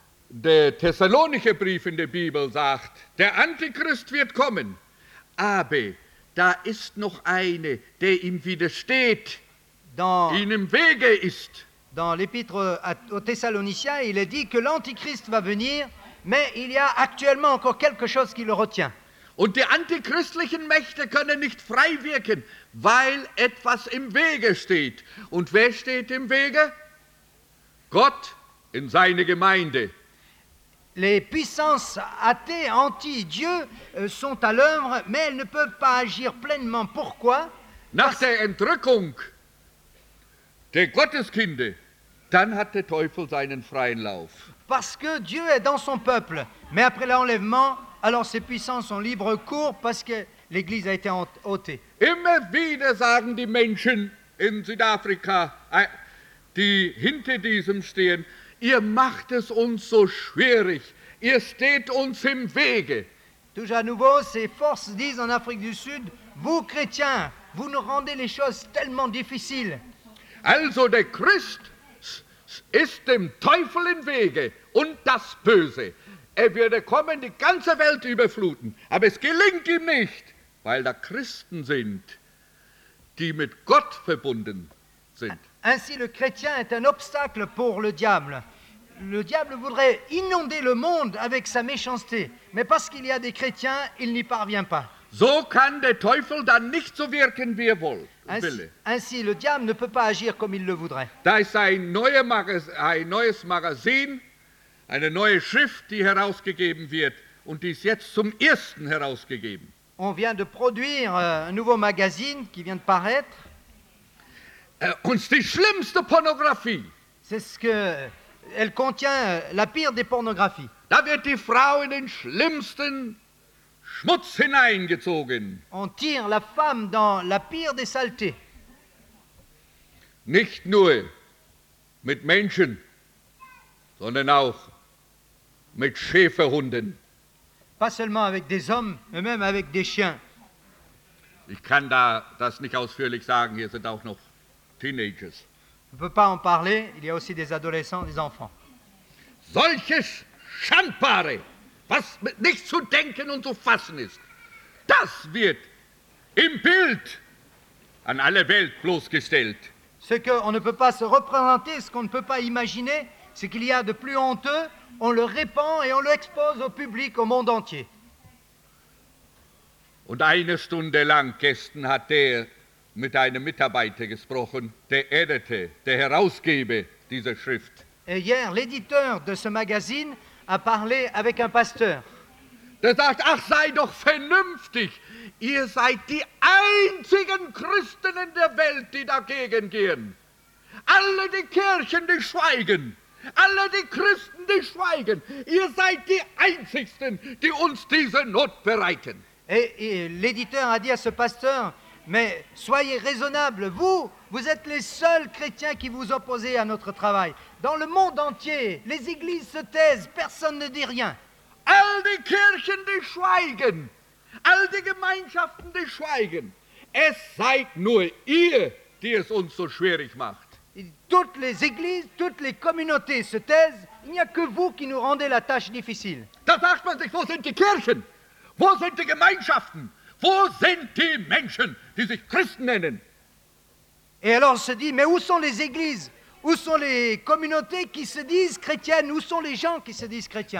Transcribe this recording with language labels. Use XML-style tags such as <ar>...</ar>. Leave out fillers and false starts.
<de>Der Thessalonische Brief in der Bibel sagt, der Antichrist wird kommen, aber da ist noch eine, der ihm widersteht, ihn im Wege ist.</de> <fr>Dans l'épître aux Thessaloniciens, il est dit que l'Antichrist va venir, mais il y a actuellement encore quelque chose qui le retient.</fr> <de>Und die antichristlichen Mächte können nicht frei wirken, weil etwas im Wege steht. Und wer steht im Wege? Gott in seine Gemeinde.</de> <fr>Les puissances athées, anti-Dieu, sont à l'œuvre, mais elles ne peuvent pas agir pleinement. Pourquoi?</fr> <de>Nach der Entrückung der Gotteskinder, dann hat der Teufel seinen freien Lauf.</de> <fr>Parce que Dieu est dans son peuple, mais après l'enlèvement, alors ses puissances ont libre cours parce que l'Église a été ôtée.</fr> <de>Immer wieder sagen die Menschen in Südafrika, die hinter diesem stehen, ihr macht es uns so schwierig, ihr steht uns im Wege.</de> <fr>Toujours à nouveau, ces forces disent en Afrique du Sud, vous chrétiens, vous nous rendez les choses tellement difficiles.</fr> <de>Also der Christ ist dem Teufel im Wege und das Böse. Er würde kommen, die ganze Welt überfluten, aber es gelingt ihm nicht, weil da Christen sind, die mit Gott verbunden sind.</de> <fr>Ainsi, le chrétien est un obstacle pour le diable. Le diable voudrait inonder le monde avec sa méchanceté, mais parce qu'il y a des chrétiens, il n'y parvient pas.</fr> <de>So kann der Teufel dann nicht so wirken, wie er will.</de> <fr>Ainsi, le diable ne peut pas agir comme il le voudrait.</fr> <de>Da ist ein neues Magazin, eine neue Schrift, die herausgegeben wird und die ist jetzt zum ersten herausgegeben.</de> <fr>On vient de produire un nouveau magazine qui vient de paraître.</fr> <de>Und die schlimmste Pornografie.</de> <fr>C'est ce que elle contient la pire des pornographies.</fr> <de>Da wird die Frau in den schlimmsten Schmutz hineingezogen.</de> <fr>On tire la femme dans la pire des saletés.</fr> <de>Nicht nur mit Menschen, sondern auch mit Schäferhunden.</de> <fr>Pas seulement avec des hommes, mais même avec des chiens.</fr> <de>Ich kann da das nicht ausführlich sagen, hier sind auch noch Teenagers.</de> <fr>On peut pas en parler, il y a aussi des adolescents, des enfants.</fr> <de>Solche Schandpaare, was nicht zu denken und zu fassen ist, das wird im Bild an alle Welt bloßgestellt.</de> <fr>Ce qu'on ne peut pas se représenter, ce qu'on ne peut pas imaginer, ce qu'il y a de plus honteux, on le répand et on le expose au public, au monde entier.</fr> <de>Und eine Stunde lang gestern hat der mit einem Mitarbeiter gesprochen, der Editor, der Herausgeber dieser Schrift.</de> <fr>Et hier, l'éditeur de ce magazine a parlé avec un pasteur.</fr> <de>Der sagt, ach, sei doch vernünftig. Ihr seid die einzigen Christen in der Welt, die dagegen gehen. Alle die Kirchen, die schweigen. Alle die Christen, die schweigen. Ihr seid die einzigsten, die uns diese Not bereiten.</de> <fr>Et l'éditeur a dit à ce pasteur, mais soyez raisonnable, vous êtes les seuls chrétiens qui vous opposez à notre travail. Dans le monde entier, les églises se taisent, personne ne dit rien.</fr> <de>All die Kirchen, die schweigen. All die Gemeinschaften, die schweigen. Es seid nur ihr, die es uns so schwierig macht.</de> <fr>Toutes les églises, toutes les communautés se taisent, il n'y a que vous qui nous rendez la tâche difficile.</fr> <de>Da sagt man sich, wo sind die Kirchen? Wo sind die Gemeinschaften? Wo sind die Menschen, die sich Christen nennen?</de> <fr>Et alors on se dit, mais où sont les églises? Où sont les communautés qui se disent chrétiennes? Où sont les gens qui se disent chrétiens?</fr>